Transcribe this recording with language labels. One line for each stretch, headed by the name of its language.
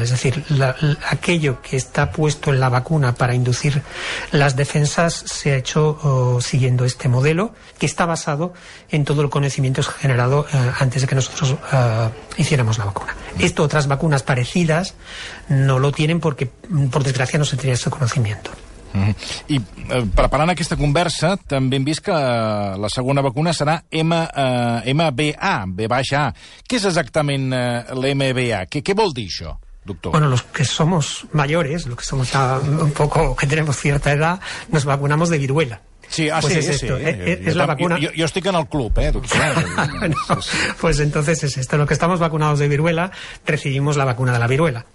Spanish: Es decir, aquello que está puesto en la vacuna para inducir las defensas se ha hecho siguiendo este modelo, que está basado en todo el conocimiento generado antes de que nosotros hiciéramos la vacuna. Esto otras vacunas parecidas no lo tienen porque, por desgracia, no se tenía ese conocimiento.
Catalan: I preparant aquesta conversa, també hem vist que la segona vacuna serà MVA, B baixa A. Què és exactament l'MVA? Què vol dir això, doctor?
Spanish: Bueno, los que somos mayores, los que somos ya un poco, que tenemos cierta edad, nos vacunamos de viruela. Sí, ah, pues sí, es sí, esto, sí. Es la vacuna. Yo estoy en el club, doctor. No, pues entonces es esto. Los que estamos vacunados de viruela, recibimos la vacuna de la viruela.